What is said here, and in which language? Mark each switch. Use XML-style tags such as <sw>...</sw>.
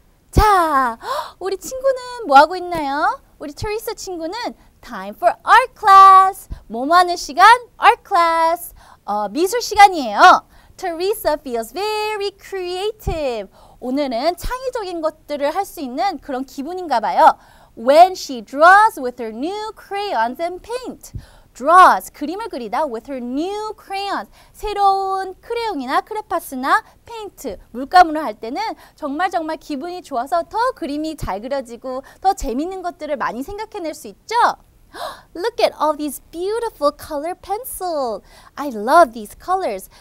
<ko>자, 우리 친구는 뭐 하고 있나요? 우리 트리스 친구는</ko> <en>time for art class.</en> <ko>몸하는 시간, art class. 미술 시간이에요.</ko> <en>Teresa feels very creative.</en> <ko>오늘은 창의적인 것들을 할 수 있는 그런 기분인가 봐요.</ko> <en>When she draws with her new crayons and paint. Draws,</en> <ko>그림을 그리다</ko> <en>with her new crayons.</en> <ko>새로운 크레용이나 크레파스나 페인트, 물감으로 할 때는 정말 정말 기분이 좋아서 더 그림이 잘 그려지고 더 재밌는 것들을 많이 생각해낼 수 있죠?</ko> <en>Look at all these beautiful color pencils. I love these colors.</en>